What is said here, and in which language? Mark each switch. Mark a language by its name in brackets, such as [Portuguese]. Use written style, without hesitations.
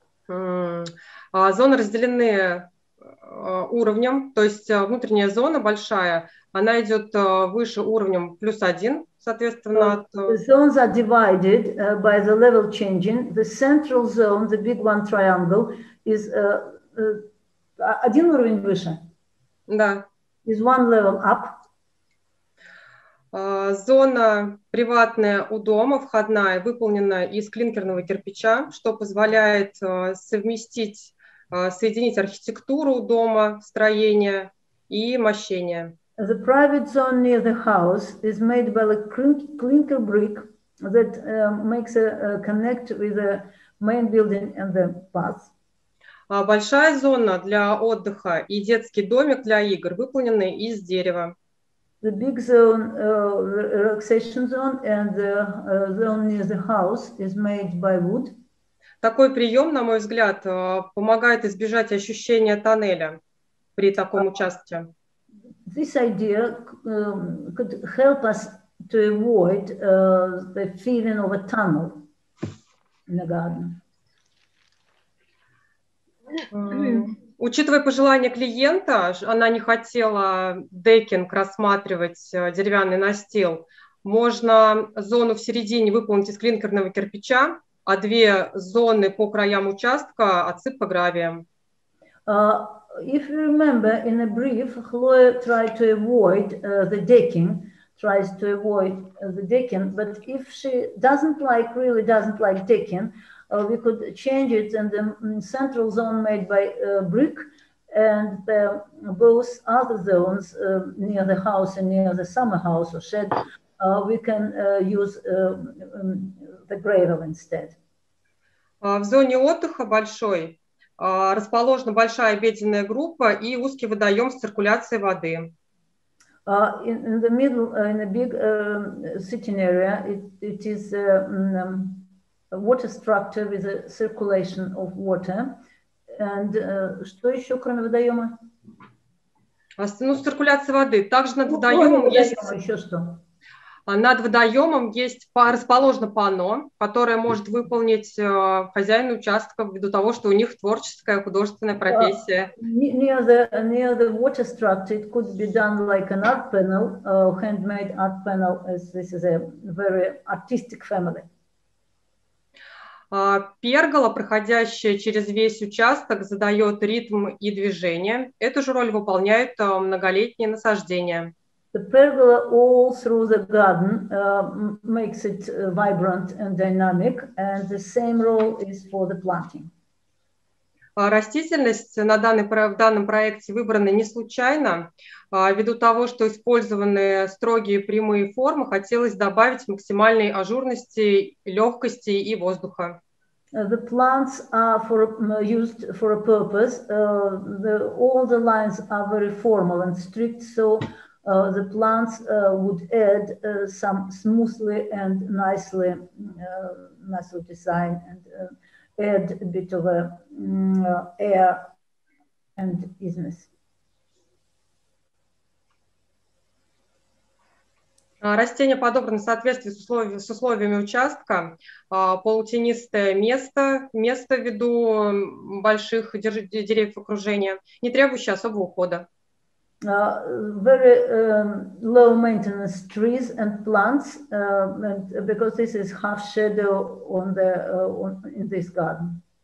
[Russian] Зоны разделены уровнем, то есть внутренняя зона большая, она идет выше уровнем плюс один, соответственно. [English] The zones are divided by the level changing. The central zone, the big one triangle, is [Russian] один уровень выше. Да. [English] Is one level up. [Russian] Зона приватная у дома, входная, выполнена из клинкерного кирпича, что позволяет соединить архитектуру дома, строение и мощение. [English] The private zone near the house is made by a clinker brick that makes a connect with the main building and the path. [Russian] Большая зона для отдыха и детский домик для игр, выполненный из дерева. [English] The big zone, relaxation zone, and the zone near the house is made by wood. [Russian] Такой прием, на мой взгляд, помогает избежать ощущения тоннеля при таком участке. [English] This idea could help us to avoid the feeling of a tunnel in the garden. [Russian] Учитывая пожелания клиента, она не хотела декинг рассматривать, деревянный настил. Можно зону в середине выполнить из клинкерного кирпича, а две зоны по краям участка отсыпь по гравием. [English] If you remember, in a brief, Chloe tried to avoid the decking, but if she doesn't like decking, we could change it in the central zone made by brick and the both other zones near the house and near the summer house or shed, we can use the gravel instead. [Russian] В зоне отдыха большой расположена большая обеденная группа и узкий водоем с циркуляцией воды. [English] In the middle, in a big sitting area, it is a water structure with a circulation of water. [Russian] And что еще, кроме водоема? Ну, с циркуляцией воды. Также над водоемом есть... Еще что? Над водоемом расположено панно, которое может выполнить хозяин участка ввиду того, что у них творческая художественная профессия. [English] Near the water structure it could be done like an art panel, handmade art panel, as this is a very artistic family. [Russian] Пергола, проходящая через весь участок, задает ритм и движение. Эту же роль выполняют многолетние насаждения. [English] The pergola all through the garden makes it vibrant and dynamic, and the same role is for the planting. [Russian] Растительность в данном проекте выбрана не случайно. Ввиду того, что использованы строгие прямые формы, хотелось добавить максимальной ажурности, легкости и воздуха. [English] The plants are used for a purpose. All the lines are very formal and strict, so the plants would add some smoothly and nicely nicely design and add a bit of a air and easiness. [Russian] Растения подобраны в соответствии с условиями участка, полутенистое место ввиду больших деревьев окружения, не требующие особого ухода. [English] Very low maintenance trees and plants, and because this is half shadow on the in this garden.